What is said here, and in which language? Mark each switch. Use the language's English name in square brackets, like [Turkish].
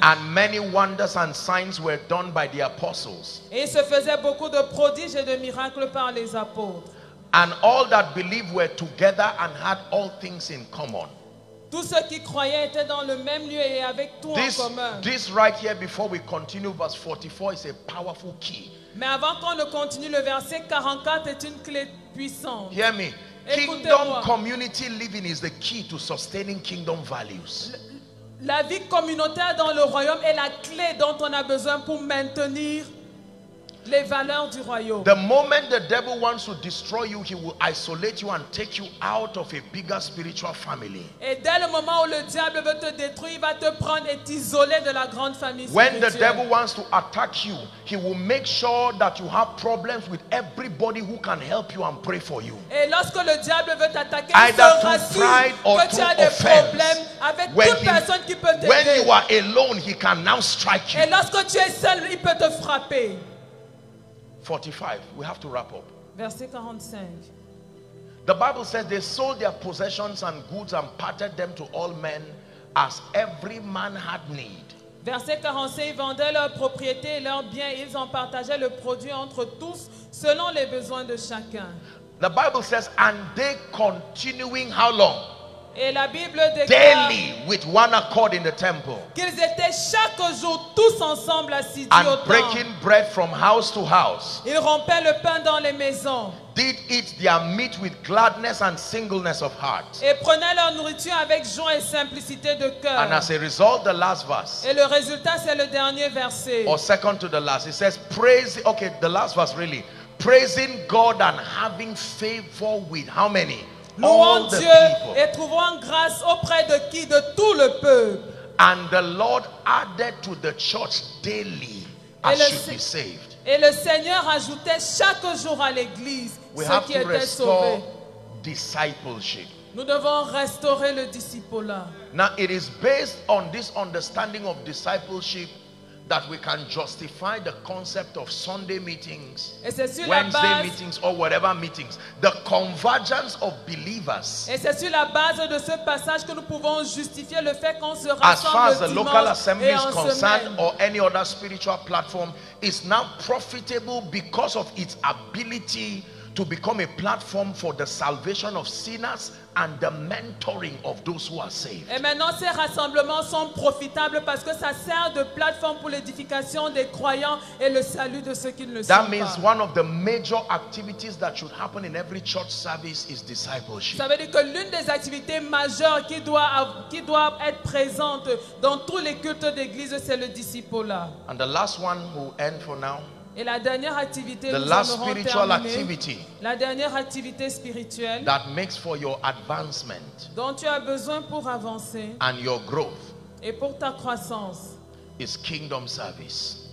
[English] And many wonders and signs were done by the apostles. [French] Et se faisait beaucoup de prodiges et de miracles par les apôtres. [English] And all that believed were together and had all things in common. [French] Tous ceux qui croyaient étaient dans le même lieu et avec tout [English] this, [French] en commun. [English] This right here before we continue verse 44 is a powerful key. [French] Mais avant qu'on ne continue, le verset 44 est une clé puissante. [English] Hear me. Kingdom community living is the key to sustaining kingdom values. [French] La vie communautaire dans le royaume est la clé dont on a besoin pour maintenir les valeurs du royaume. [English] The moment the devil wants to destroy you, he will isolate you and take you out of a bigger spiritual family. [French] Et dès le moment où le diable veut te détruire, il va te prendre et t'isoler de la grande famille spirituelle. [English] When the devil wants to attack you, he will make sure that you have problems with everybody who can help you and pray for you. [French] Et lorsque le diable veut t'attaquer, il sera sûr que tu as des problèmes avec toute personne qui peut t'aider. [English] When you are alone, he can now strike you. [French] Et lorsque tu es seul, il peut te frapper. [English] 45. We have to wrap up. [French] Verset 45. [English] The Bible says they sold their possessions and goods and parted them to all men as every man had need. [French] Verset 45. Ils vendaient leurs propriétés et leurs biens. Ils en partageaient le produit entre tous selon les besoins de chacun. [English] The Bible says, and they continuing how long? [French] Et la Bible déclare [English] daily with one accord in the temple. [French] Qu'ils étaient chaque jour tous ensemble assis au [English] temple. And breaking bread from house to house. [French] Ils rompaient le pain dans les maisons. [English] Did eat their meat with gladness and singleness of heart. [French] Et prenaient leur nourriture avec joie et simplicité de cœur. [English] And as a result, the last verse. [French] Et le résultat, c'est le dernier verset. [English] Or second to the last. It says, praise. Okay, the last verse really. Praising God and having favor with how many? [French] Louons Dieu et trouvons grâce auprès de qui? De tout le peuple. [English] And the Lord added to the church daily as she be saved. [French] Et le Seigneur ajoutait chaque jour à l'église [English] we [French] ceux qui étaient sauvés. [English] Discipleship. [French] Nous devons restaurer le discipulat. [English] Now it is based on this understanding of discipleship that we can justify the concept of Sunday meetings, Wednesday meetings, or whatever meetings, the convergence of believers. [French] Et c'est sur la base de ce passage que nous pouvons justifier le fait qu'on se rassemble [English] dimanche. As far as the local assembly is concerned, [French] semaine. [English] Or any other spiritual platform, is now profitable because of its ability to become a platform for the salvation of sinners and the mentoring of those who are saved. [French] Et maintenant ces rassemblements sont profitables parce que ça sert de plateforme pour l'édification des croyants et le salut de ceux qui ne le sont [English] pas. That means one of the major activities that should happen in every church service is discipleship. [French] Ça veut dire que l'une des activités majeures qui doit être présente dans tous les cultes d'église, c'est le discipleship. [English] And the last one who end for now. [French] Et la dernière activité, [English] the last spiritual activity, [French] la dernière activité spirituelle, [English] that makes for your advancement, [French] dont tu as besoin pour avancer, [English] and your growth, [French] et pour ta croissance, [English] is kingdom service.